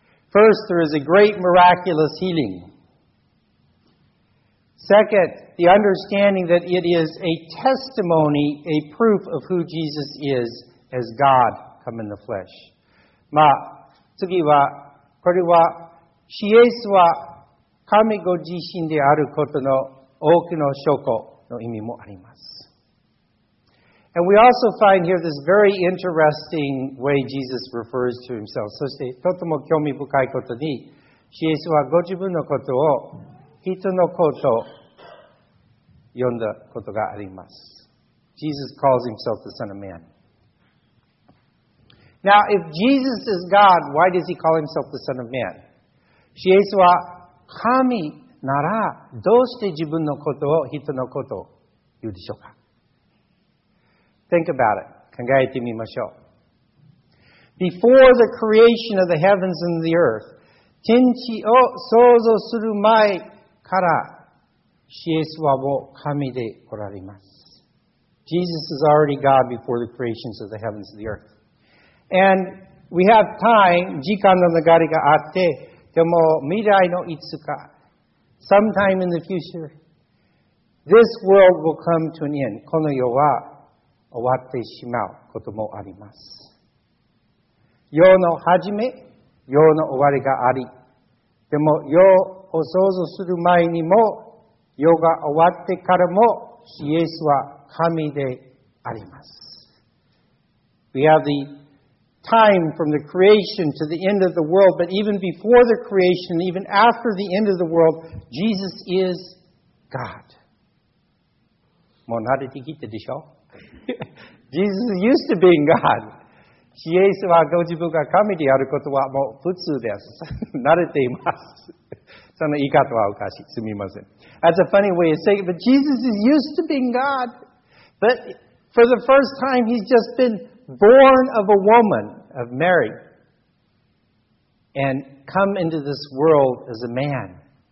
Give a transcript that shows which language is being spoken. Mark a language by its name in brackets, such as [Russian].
[English] First, there is a great miraculous healing. Second, the understanding that it is a testimony, a proof of who Jesus is. As God come in the flesh. [Japanese] まあ、次は、これは、イエスは神ご自身であることの多くの証拠の意味もあります。 [English] And we also find here this very interesting way Jesus refers to himself. [Japanese] そして、とても興味深いことに、イエスはご自分のことを人の子と呼んだことがあります。 [English] Jesus calls himself the Son of Man. Now, if Jesus is God, why does he call himself the Son of Man? [Japanese] イエスは神なら、どうして自分のことを人のことを言うでしょうか? [English] Think about it. [Japanese] 考えてみましょう。 [English] Before the creation of the heavens and the earth, [Japanese] 天地を創造する前から、イエスはもう神でおられます。 [English] Jesus is already God before the creations of the heavens and the earth. And we have time, [Japanese] 時間の流れがあって、でも未来のいつか、 [English] sometime in the future, this world will come to an end. [Japanese] この世は終わってしまうこともあります。世の始め、世の終わりがあり。でも世を創造する前にも、世が終わってからも、イエスは神であります。 [English] We have theTime from the creation to the end of the world, but even before the creation, even after the end of the world, Jesus is God. [Japanese] もう慣れてきたでしょ? [English] Jesus is used to being God. [Japanese] イエスはご自分が神であることはもう普通です。慣れています。その言い方はおかしい。すみません。 [English] That's a funny way of saying it, but Jesus is used to being God. But for the first time, he's just beenborn of a woman, of Mary, and come into this world as a man.